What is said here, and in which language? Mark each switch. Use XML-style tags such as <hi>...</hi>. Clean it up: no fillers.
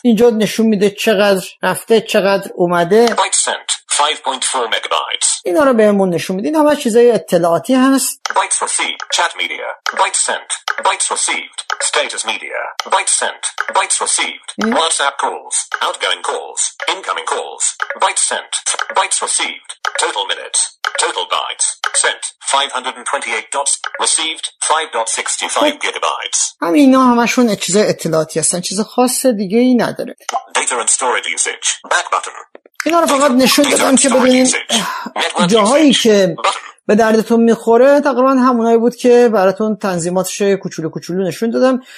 <fa>اینجا نشون میده چقدر رفته، چقدر اومده.</fa> <en>Byte sent, 5.4 megabytes.</en> <fa>اینا رو بهمون نشون میده، این همه چیزای اطلاعاتی هست.</fa> <en>Bytes received, chat media. Byte sent, bytes received, status media. Byte sent, bytes received, WhatsApp calls, outgoing calls, incoming calls. Byte sent, bytes received. Total minutes, total bytes, sent 528 dots, received 5.65 gigabytes.</en> <fa>همینا همشون چیز اطلاعاتی هستن، چیز خاص دیگه ای نداره.</fa> <en>Data and storage usage, back button.</en> <fa>اینا رو فقط نشون دادم که ببینین جاهایی که به دردتون میخوره تقریبا همونایی بود که براتون تنظیماتش کوچولو کوچولو نشون دادم.</fa>